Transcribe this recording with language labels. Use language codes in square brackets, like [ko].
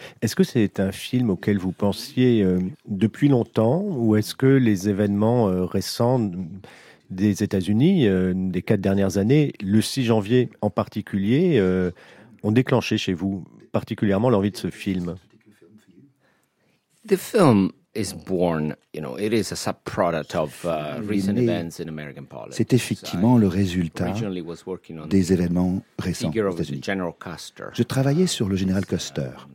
[fr] Est-ce que c'est un film auquel vous pensiez depuis longtemps, ou est-ce que les événements récents des États-Unis, des quatre dernières années, le 6 janvier en particulier, ont déclenché chez vous particulièrement l'envie de ce film? [en] The film is born, you know, it is a subproduct of recent events in American politics. [fr] C'est effectivement le résultat des événements récents aux États-Unis. Je travaillais sur le général Custer.